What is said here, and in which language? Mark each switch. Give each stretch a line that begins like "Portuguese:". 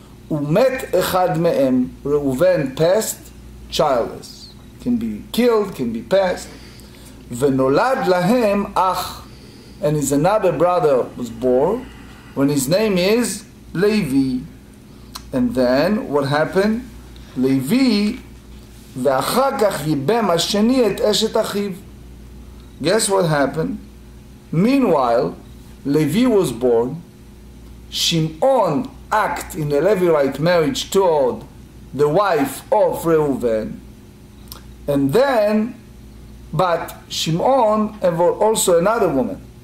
Hebrew: Umet echad me'em,
English: Reuven passed, childless. Can be killed, can be passed.
Hebrew: Venolad lahem ach,
English: and his another brother was born, when his name is Levi. And then what happened?
Hebrew: Levi, ואחר כך ייבם השני את אשת אחיו.
English: Guess what happened? Meanwhile, Levi was born, Shimon act in a Levirate marriage toward the wife of Reuven, and then, but Shimon have also another woman.